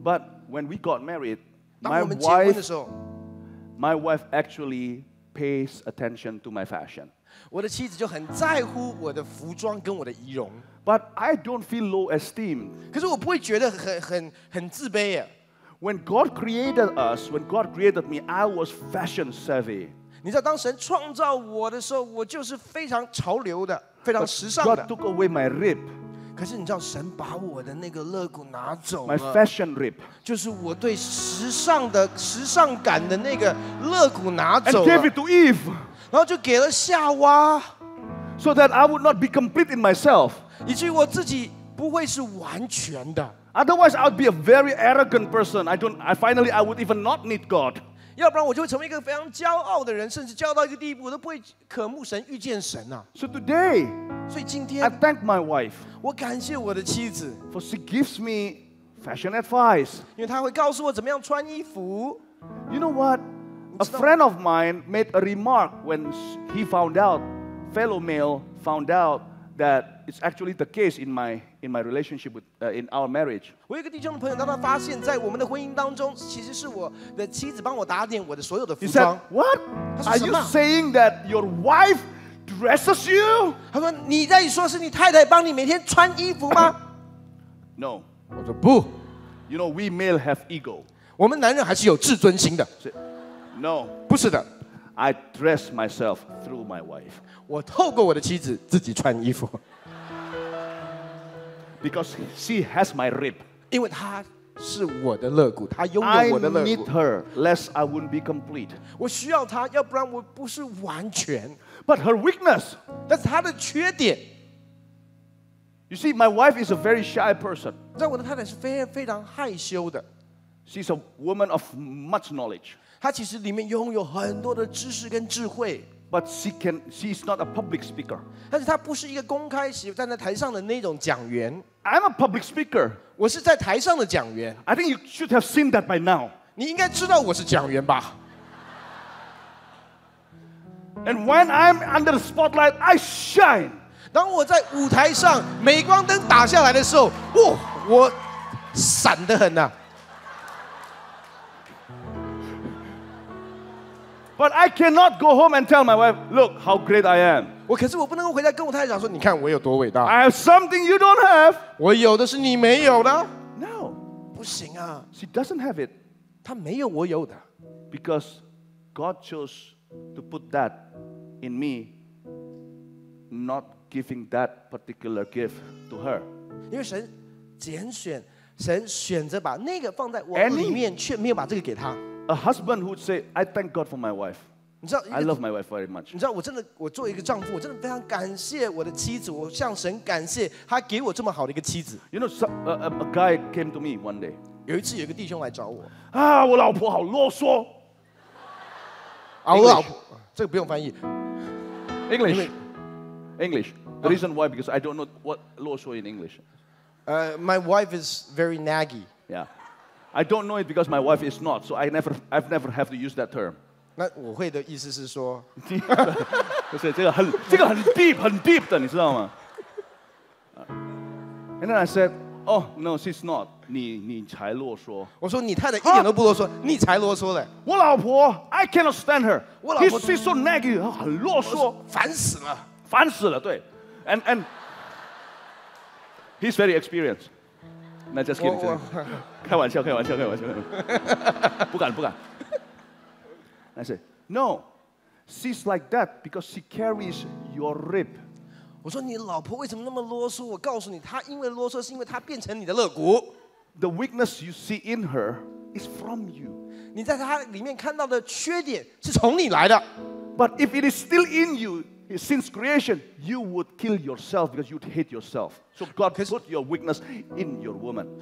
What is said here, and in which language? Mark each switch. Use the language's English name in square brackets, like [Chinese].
[English] But when we got married, [Chinese] 当我们结婚的时候 [English] my wife actually pays attention to my fashion. [Chinese] 我的妻子就很在乎我的服装跟我的仪容。 [English] But I don't feel low esteem. [Chinese] 可是我不会觉得很自卑耶。 [English] When God created us, when God created me, I was fashion savvy. [Chinese] 你知道当神创造我的时候，我就是非常潮流的，非常时尚的。 [English] But God took away my rib. [Chinese] 可是你知道神把我的那个肋骨拿走了。 [English] My fashion rib. [Chinese] 就是我对时尚感的那个肋骨拿走了。 [English] And gave it to Eve. [Chinese] 然后就给了夏娃。 [English] So that I would not be complete in myself. [Chinese] 以至于我自己不会是完全的。 [English] Otherwise, I would be a very arrogant person. I would even not need God. [Chinese] 要不然我就会成为一个非常骄傲的人，甚至骄傲到一个地步，我都不会渴慕神、遇见神啊。 [English] So today, [Chinese] 所以今天 [English] I thank my wife. [Chinese] 我感谢我的妻子 [English] for she gives me fashion advice. [Chinese] 因为她会告诉我怎么样穿衣服。 [English] You know what? A friend of mine made a remark when he found out, fellow male found out. That it's actually the case in my relationship with in our marriage. [Chinese] 我有个弟兄的朋友，当他发现，在我们的婚姻当中，其实是我的妻子帮我打点我的所有的服装。 [English] He said, "What? Are you saying that your wife dresses you?" [Chinese] 他说，你在说是你太太帮你每天穿衣服吗 [English] ？No. [Chinese] 我说不。 [English] You know, we male have ego. [Chinese] 我们男人还是有自尊心的。 [English] No. [Chinese] 不是的。 [English] I dress myself through my wife. [Chinese] 我透过我的妻子自己穿衣服。 [English] Because she has my rib. [Chinese] 因为她是我的肋骨，她拥有我的肋骨。 [English] I need her, lest I wouldn't be complete. [Chinese] 我需要她，要不然我不是完全。 [English] But her weakness. [Chinese] 但是她的缺点。 [English] You see, my wife is a very shy person. [Chinese] 在我的太太是非常害羞的。 [English] She's a woman of much knowledge. [Chinese] 她其实里面拥有很多的知识跟智慧。 [English] But she is not a public speaker. [Chinese] 但是她不是一个公开席站在台上的那种讲员。 [English] I'm a public speaker. [Chinese] 我是在台上的讲员。 [English] I think you should have seen that by now. [Chinese] 你应该知道我是讲员吧。 [English] And when I'm under the spotlight, I shine. [Chinese] 当我在舞台上，镁光灯打下来的时候，哇，我闪得很啊。 [English] But I cannot go home and tell my wife, look how great I am. [Chinese] 我可是我不能够回家跟我太太讲说，你看我有多伟大。 [English] I have something you don't have. [Chinese] 我有的是你没有的。 [English] No, [Chinese] 不行啊。 [English] She doesn't have it. [Chinese] 她没有我有的。 [English] Because God chose to put that in me, not giving that particular gift to her. [Chinese] 因为神拣选，神选择把那个放在我里面， [English] Any? [Chinese] 却没有把这个给她。 [English] A husband who would say, "I thank God for my wife." I love my wife very much. [Chinese] 你知道我真的，我作为一个丈夫，我真的非常感谢我的妻子。我向神感谢，他给我这么好的一个妻子。 [English] You know, a guy came to me one day. [Chinese] 有一次有一个弟兄来找我。啊，我老婆好啰嗦。啊，我老婆，这个不用翻译。 [English] English, English. The reason why because I don't know what 啰嗦 in English. My wife is very naggy. Yeah. I don't know it because my wife is not, so I've never have to use that term. [Chinese] 那我会的意思是说，不是这个很这个很 deep 很 deep 的，你知道吗 ？ [English] And then I said, "Oh no, she's not. [Chinese] 你才啰嗦。我说你太太一点都不啰嗦，你才啰嗦嘞。我老婆 [English] ，I cannot stand her. [Chinese] 我老婆 [English] she's so naggy, [Chinese] 很啰嗦，烦死了，烦死了。对 [English] ，and he's very experienced. [Chinese] 那 [English] just kidding， [Chinese] 真的，开玩笑，开玩笑，开玩笑，不敢，不敢。那是 [English] ，No， she's like that because she carries your rib。 [Chinese] 我说你老婆为什么那么啰嗦？我告诉你，她因为啰嗦，是因为她变成你的肋骨。 [English] The weakness you see in her is from you。 [Chinese] 你在她里面看到的缺点是从你来的。 [English] But if it is still in you。 Since creation, you would kill yourself because you'd hate yourself. So God put your weakness in your woman.